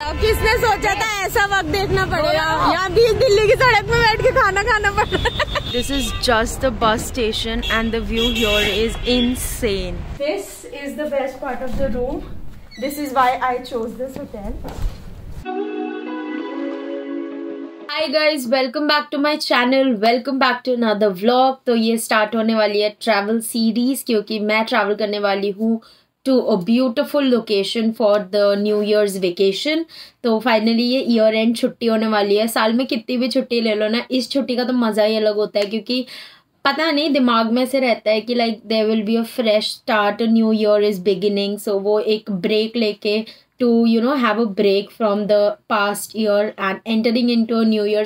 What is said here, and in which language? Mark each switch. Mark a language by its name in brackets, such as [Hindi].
[Hindi] किसने सोचा था ऐसा वक्त देखना पड़ेगा, यहाँ दिल्ली की सड़क में बैठ के खाना खाना पड़ रहा है। [English] This is just the bus station and the view here is insane. This is the best part of the room. This is why I chose this hotel. Hi guys, welcome back to my channel. Welcome back to another vlog. [Hindi] तो ये start होने वाली है travel series, क्योंकि मैं travel करने वाली हूँ [English] to a beautiful location for the New Year's vacation. [Hindi] तो finally ये year end छुट्टी होने वाली है. साल में कितनी भी छुट्टी ले लो ना, इस छुट्टी का तो मज़ा ही अलग होता है, क्योंकि पता नहीं दिमाग में से रहता है कि [English] Like there will be a fresh start, new year is beginning. [Hindi] सो वो एक ब्रेक लेके [English] To you know have a break from the past year and entering into a new year.